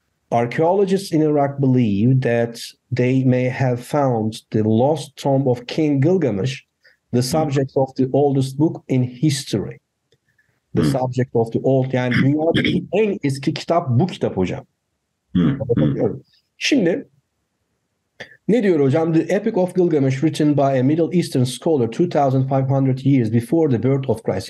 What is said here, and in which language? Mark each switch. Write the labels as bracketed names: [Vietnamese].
[English] Archaeologists in Iraq believe that they may have found the lost tomb of King Gilgamesh, the subject of the oldest book in history. The subject of the old. [Turkish] Yani dünyadaki en eski kitap bu kitap hocam. Şimdi ne diyor hocam? [English] The Epic of Gilgamesh written by a Middle Eastern scholar 2500 years before the birth of Christ.